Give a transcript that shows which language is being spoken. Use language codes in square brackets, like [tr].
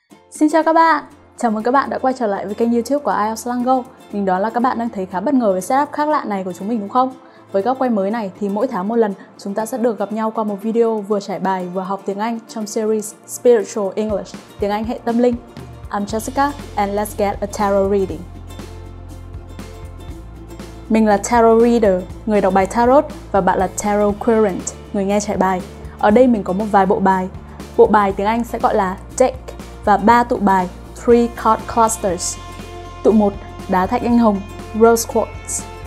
[vi] Xin chào các bạn, chào mừng các bạn đã quay trở lại với kênh YouTube của IELTS Lango. Mình đoán là các bạn đang thấy khá bất ngờ về setup khác lạ này của chúng mình đúng không? Với góc quay mới này thì mỗi tháng một lần chúng ta sẽ được gặp nhau qua một video vừa trải bài vừa học tiếng Anh trong series Spiritual English, tiếng Anh hệ tâm linh. [en] I'm Jessica and let's get a tarot reading. [vi] Mình là tarot reader, người đọc bài tarot và bạn là tarot querent, người nghe trải bài. Ở đây mình có một vài bộ bài. Bộ bài tiếng Anh sẽ gọi là deck. Và ba tụ bài, [en] 3 card clusters. [vi] Tụ 1, đá thạch anh hồng, rose quartz.